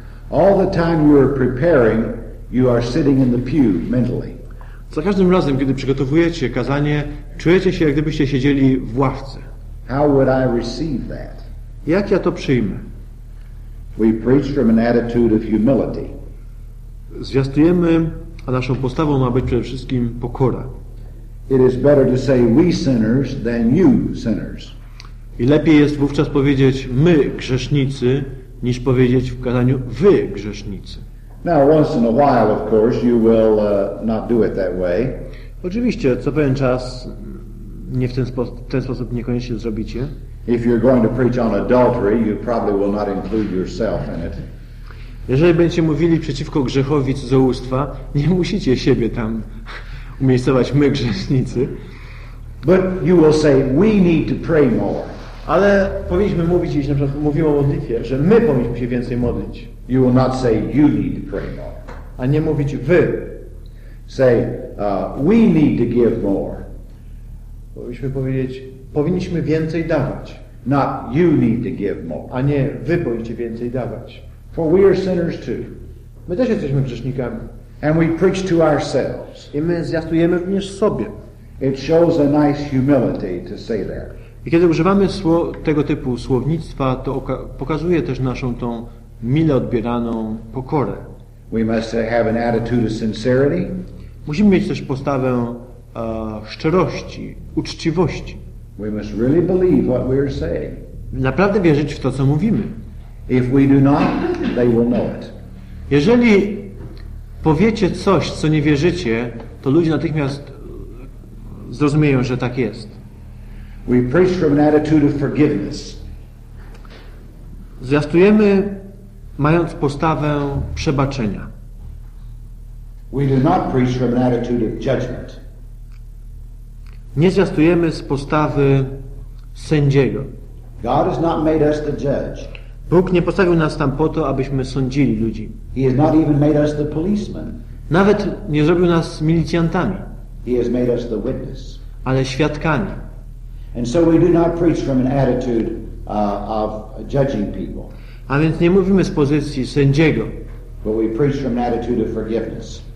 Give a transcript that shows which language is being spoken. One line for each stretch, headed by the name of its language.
English: All the time you are preparing, you are sitting in the pew mentally.
Polish: Za każdym razem, kiedy przygotowujecie kazanie, czujecie się, jak gdybyście siedzieli w ławce.
English: How would I receive that?
Polish: Jak ja to przyjmę?
English: We preach from an attitude of humility.
Polish: Zwiastujemy, a naszą postawą ma być przede wszystkim pokora.
English: It is better to say we sinners than you sinners.
Polish: I lepiej jest wówczas powiedzieć my grzesznicy, niż powiedzieć w kazaniu wy grzesznicy.
English: Now once in a while, of course, you will not do it that way.
Polish: Oczywiście, co pewien czas nie w ten sposób niekoniecznie zrobicie.
English: If you're going to preach on adultery, you probably will not include yourself in it.
Polish: Jeżeli będziecie mówili przeciwko grzechowi cudzołóstwa, nie musicie siebie tam umiejscować, my grzesznicy.
English: But you will say, we need to pray more.
Polish: Ale powinniśmy mówić, jeśli na przykład mówimy o modlitwie, że my powinniśmy się więcej modlić.
English: You will not say, you need to pray more.
Polish: A nie mówić wy.
English: Say, we need to give more.
Polish: Powinniśmy powiedzieć, powinniśmy więcej dawać.
English: Not you need to give more.
Polish: A nie wy powinniście więcej dawać.
English: For we are sinners too.
Polish: My też jesteśmy grzesznikami.
English: And we preach to ourselves.
Polish: I my zwiastujemy również sobie.
English: It shows a nice humility to say that.
Polish: I kiedy używamy tego typu słownictwa, to pokazuje też naszą tą mile odbieraną pokorę.
English: We must have an attitude of sincerity.
Polish: Musimy mieć też postawę szczerości, uczciwości.
English: We must really believe what we are saying.
Polish: Naprawdę wierzyć w to, co mówimy.
English: If we do not, they will know it.
Polish: Jeżeli powiecie coś, co nie wierzycie, to ludzie natychmiast zrozumieją, że tak jest.
English: We preach from an attitude of forgiveness.
Polish: Zwiastujemy, mając postawę przebaczenia.
English: We do not preach from an attitude of judgment.
Polish: Nie zwiastujemy z postawy sędziego.
English: God has not made us the judge.
Polish: Bóg nie postawił nas tam po to, abyśmy sądzili ludzi.
English: He has not even made us the policeman.
Polish: Nawet nie zrobił nas milicjantami.
English: He has made us the witness.
Polish: Ale świadkami.
English: And so we do not preach from an attitude of judging people.
Polish: A więc nie mówimy z pozycji sędziego.
English: But we preach from an attitude of forgiveness.